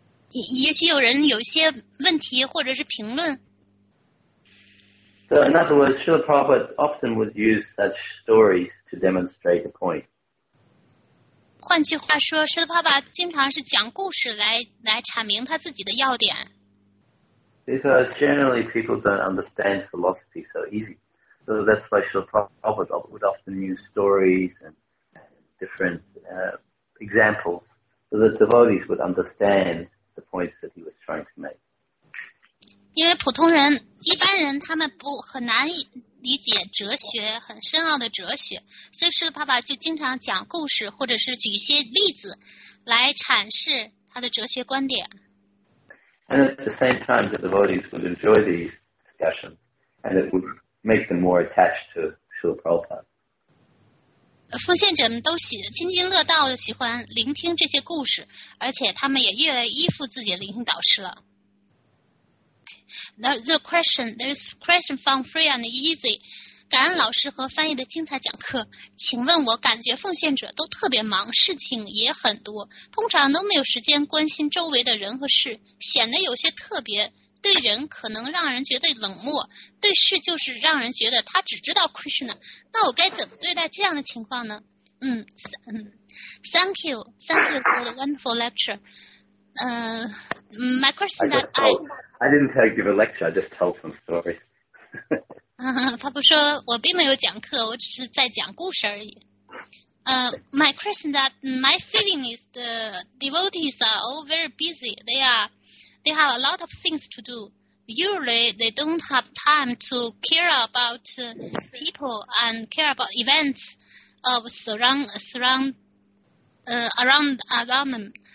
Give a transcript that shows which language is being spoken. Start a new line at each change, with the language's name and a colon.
Chinese: 也许有人有一些问题或者是评论。
English: So in other words, Srila Prabhupada often would use such stories to demonstrate a point.
Chinese: 换句话说，释迦牟尼佛经常是讲故事来阐明他自己的要点。
English: Because generally people don't understand philosophy so easy, so that's why Srila Prabhupada would often use stories and different examples so that devotees would understand the points that he was trying to make.
Chinese: 因为普通人、一般人他们不很难理解哲学，很深奥的哲学，所以释迦牟尼佛就经常讲故事，或者是举一些例子来阐释他的哲学观点。
English: And at the same time, the devotees would enjoy these discussions, and it would make them more attached to Srila Prabhupada.
Chinese: 奉献者们都津津乐道的喜欢聆听这些故事，而且他们也越来越依附自己的聆听导师了。
English: There's a question from Free and Easy.
Chinese: 感恩老师和翻译的精彩讲课。请问我感觉奉献者都特别忙，事情也很多，通常都没有时间关心周围的人和事，显得有些特别，对人可能让人觉得冷漠，对事就是让人觉得他只知道 Krishna。那我该怎么对待这样的情况呢？
English: Thank you for the wonderful lecture. My question that I didn't tell you a lecture, I just told some stories.
Chinese: 他不说我并没有讲课，我只是在讲故事而已。
English: My question that my feeling is the devotees are all very busy. They have a lot of things to do. Usually they don't have time to care about people and care about events of around them.